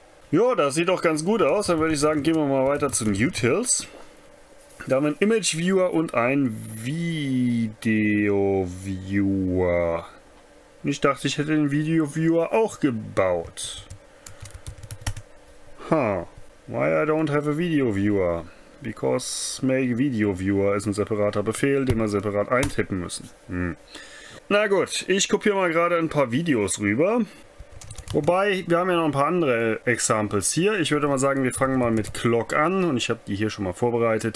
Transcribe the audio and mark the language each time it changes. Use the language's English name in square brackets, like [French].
[German] Ja, das sieht doch ganz gut aus. Dann würde ich sagen, gehen wir mal weiter zu den Utils. Da haben wir einen Image Viewer und einen Video Viewer. Und ich dachte, ich hätte den Video Viewer auch gebaut. [English] Why I don't have a Video Viewer? [German] Because make Video Viewer ist ein separater Befehl, den wir separat eintippen müssen. Na gut, ich kopiere mal gerade ein paar Videos rüber. Wobei, wir haben ja noch ein paar andere Examples hier. Ich würde mal sagen, wir fangen mal mit Clock an. Und ich habe die hier schon mal vorbereitet.